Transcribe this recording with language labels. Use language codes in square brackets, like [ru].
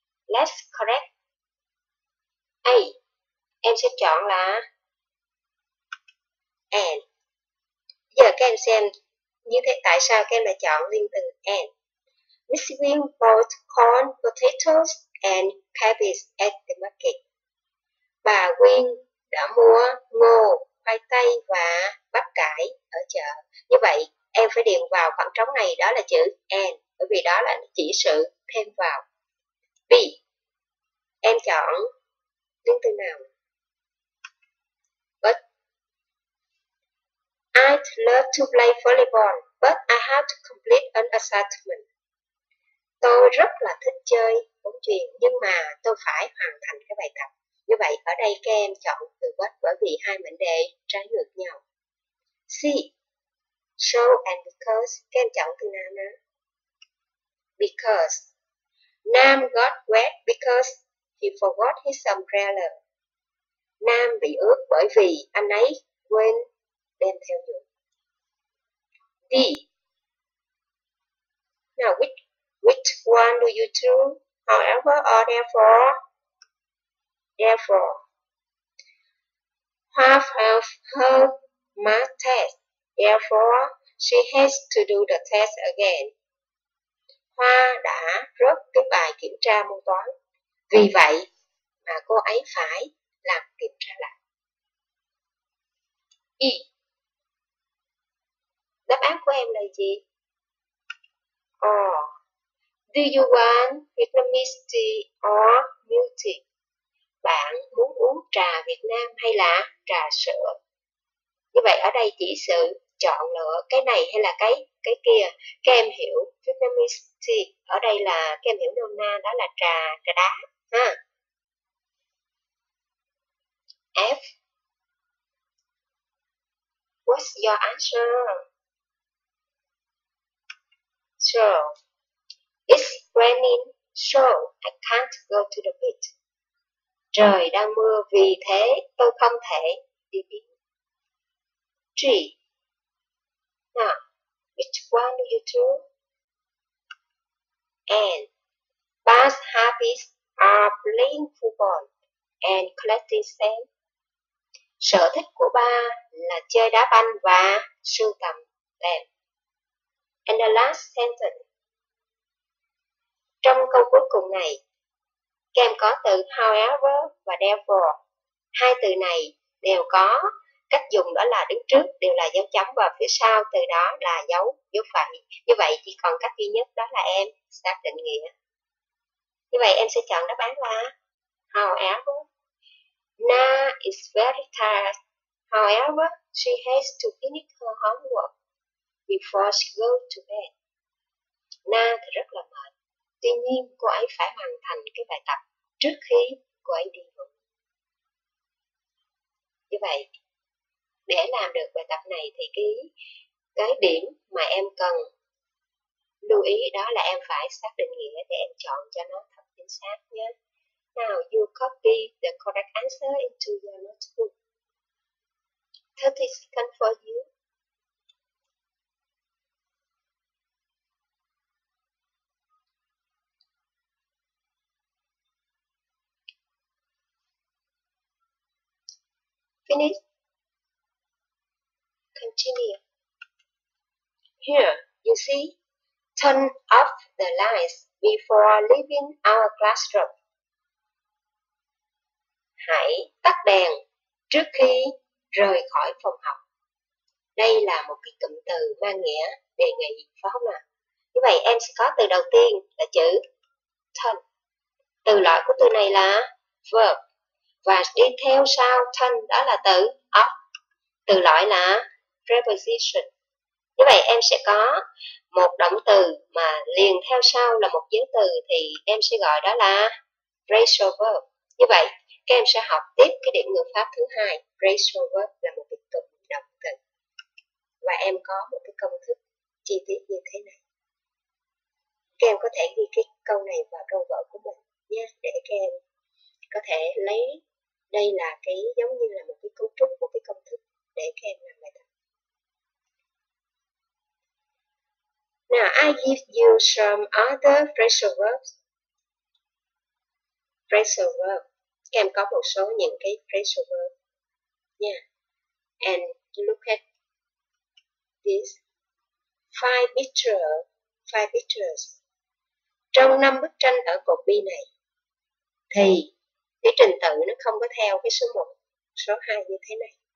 [en] Let's correct. [vi] A em sẽ chọn là and. Bây giờ các em xem như thế tại sao các em lại chọn liên từ and. [en] Miss Wing bought corn, potatoes and cabbage at the market. [vi] Bà Wing đã mua ngô, khoai tây và bắp cải ở chợ. Như vậy em phải điền vào khoảng trống này đó là chữ and, bởi vì đó là chỉ sự thêm vào. B em chọn liên từ nào? [en] I'd love to play volleyball, but I have to complete an assignment. [vi] Tôi rất là thích chơi bóng chuyền, nhưng mà tôi phải hoàn thành cái bài tập. Như vậy, ở đây các em chọn từ but bởi vì hai mệnh đề trái ngược nhau. C. So and because, các em chọn từ nào nữa? [en] because. Nam got wet because he forgot his umbrella. Nam bị ướt bởi vì anh ấy quên đem theo dù. D. Now, which one do you choose? However or therefore? Therefore. Have of her math test. Therefore, she has to do the test again. [vi] Hoa đã rớt cái bài kiểm tra môn toán. Vì vậy mà cô ấy phải làm kiểm tra lại. [en] E. [vi] Đáp án của em là gì? Or. [en] Do you want Vietnamese tea or milk tea? [vi] Bạn muốn uống trà Việt Nam hay là trà sữa? Như vậy ở đây chỉ sự chọn lựa cái này hay là cái kia. Các em hiểu Vietnamese tea ở đây là các em hiểu nôm na đó là trà đá ha. [en] F. What's your answer? So, it's raining, so I can't go to the beach. [vi] Trời đang mưa, vì thế tôi không thể đi biển. [en] G. Now, which one do you choose? N. Bad habits are playing football and collecting sand. [vi] Sở thích của ba là chơi đá banh và sưu tầm tem. [en] And the last sentence. [vi] Trong câu cuối cùng này, các em có từ however và therefore. Hai từ này đều có cách dùng đó là đứng trước đều là dấu chấm và phía sau từ đó là dấu phẩy. Như vậy chỉ còn cách duy nhất đó là em xác định nghĩa. Như vậy em sẽ chọn đáp án là however. Na is very tired. However, she has to finish her homework before she goes to bed. Na thì rất là mệt. Tuy nhiên, cô ấy phải hoàn thành cái bài tập trước khi cô ấy đi ngủ. Như vậy, để làm được bài tập này thì cái điểm mà em cần lưu ý đó là em phải xác định nghĩa để em chọn cho nó thật chính xác nhé. [en] Now, you copy the correct answer into your notebook. 30 seconds for you. Finish. Continue. Here, you see, turn off the lights before leaving our classroom. [vi] Hãy tắt đèn trước khi rời khỏi phòng học. Đây là một cái cụm từ mang nghĩa đề nghị, phải không ạ? Như vậy, em sẽ có từ đầu tiên là chữ turn. Từ loại của từ này là verb. Và đi theo sau turn đó là từ off, từ loại là preposition. Như vậy em sẽ có một động từ mà liền theo sau là một giới từ thì em sẽ gọi đó là phrasal verb. Như vậy các em sẽ học tiếp cái điểm ngữ pháp thứ hai, phrasal verb là một cái cụm động từ. Và em có một cái công thức chi tiết như thế này. Các em có thể ghi cái câu này vào câu vở của mình nhé, để các em có thể lấy đây là cái giống như là một cái cấu trúc, một cái công thức để các em làm bài tập. [en] Now, I give you some other phrasal verbs. Phrasal verb. [vi] Các em có một số những cái phrasal verb. Yeah. [en] And look at this. Five pictures. [vi] Trong năm bức tranh ở cột bi này, thì cái trình tự nó không có theo cái số 1, số 2 như thế này.